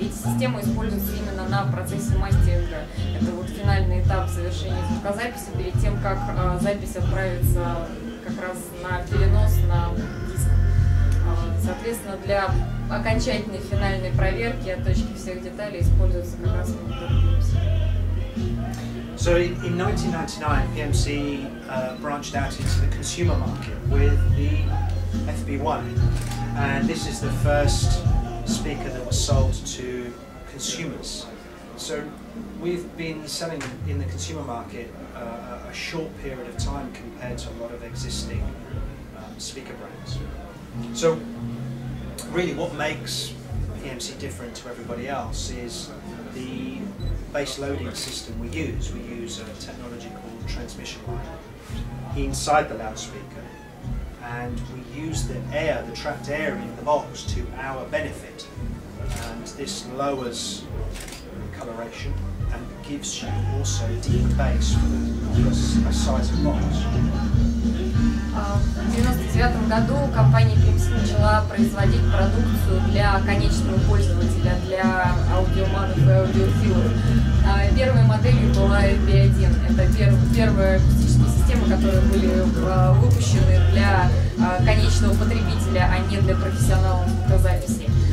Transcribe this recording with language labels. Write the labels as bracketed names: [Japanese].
[Russian] Эти системы используются именно на процессе мастеринга. Это вот финальный этап завершения звукозаписи перед тем, как запись отправится как раз на перенос, на диск. Соответственно, для окончательной финальной проверки от точки всех деталей используется как раз вот этот PMC. [English] So in 1999, PMC branched out into the consumer market with the FB1, and this is the first speaker that was sold to consumers. So we've been selling in the consumer market a short period of time compared to a lot of existing speaker brands. So really what makes PMC different to everybody else is the base loading system we use. We use a technology called transmission line inside the loudspeaker, and we use the air, the trapped air in the box, to our benefit. And this lowers coloration and gives you also deep bass for a size of box. [Russian] 1999 году компания PMC начала производить продукцию для конечного пользователя, для аудиоманов и аудиофилов. Первой моделью была MP1. Это первая акустическая система, которые были выпущены для конечного потребителя, а не для профессионалов звукозаписи.